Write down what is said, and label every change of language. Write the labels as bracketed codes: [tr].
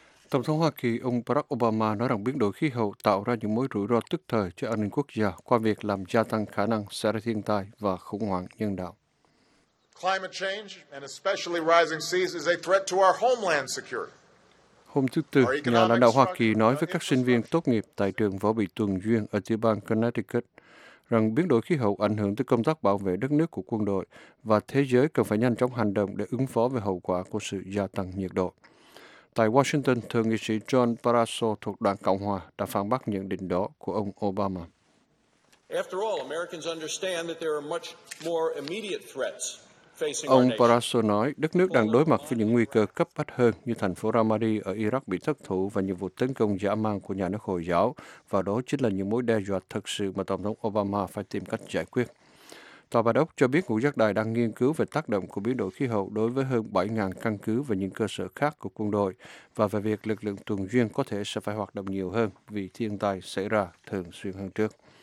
[vi] Tổng thống Hoa Kỳ ông Barack Obama nói rằng biến đổi khí hậu tạo ra những mối rủi ro tức thời cho an ninh quốc gia qua việc làm gia tăng khả năng xảy ra thiên tai và khủng hoảng nhân đạo. [en] Climate change and especially rising seas is a threat to our homeland security. [vi] Hôm thứ Tư, nhà lãnh đạo Hoa Kỳ nói với các sinh viên tốt nghiệp tại trường Võ Bị Tuần Duyên ở tiểu bang Connecticut rằng biến đổi khí hậu ảnh hưởng tới công tác bảo vệ đất nước của quân đội và thế giới cần phải nhanh chóng hành động để ứng phó với hậu quả của sự gia tăng nhiệt độ. Tại Washington, thượng nghị sĩ John Barrasso thuộc đảng Cộng hòa đã phản bác nhận định đó của ông Obama. [en] After all, Americans understand that there are much more immediate threats. [vi] Ông Barrasso nói, đất nước đang đối mặt với những nguy cơ cấp bách hơn như thành phố Ramadi ở Iraq bị thất thủ và nhiều vụ tấn công dã man của nhà nước Hồi giáo, và đó chính là những mối đe dọa thực sự mà Tổng thống Obama phải tìm cách giải quyết. Tòa Bạch Ốc cho biết Ngũ Giác Đài đang nghiên cứu về tác động của biến đổi khí hậu đối với hơn 7.000 căn cứ và những cơ sở khác của quân đội, và về việc lực lượng tuần duyên có thể sẽ phải hoạt động nhiều hơn vì thiên tai xảy ra thường xuyên hơn trước.